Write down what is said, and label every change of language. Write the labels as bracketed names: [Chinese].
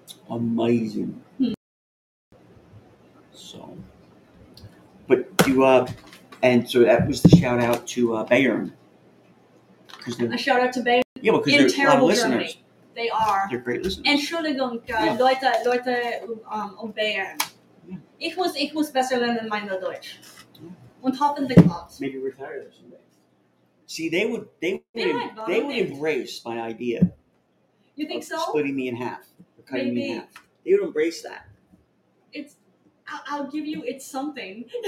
[English] Amazing. Hmm. So. But you, and so that was the shout out to Bayern. A shout out to Bayern. Yeah, because in they're a lot of listeners. Germany, they are. They're great listeners. [German] Entschuldigung, [English] yeah. [German] Leute, um, Bayern. [English] Yeah. [German] Ich muss besser lernen mein Deutsch. Yeah. Und hoffentlich klappt. [English] Maybe retire there someday. See, they would embrace my idea. You think of so? Splitting me in half, or cutting Maybe. Me in half. They would embrace that. It's. I'll give you, it's something.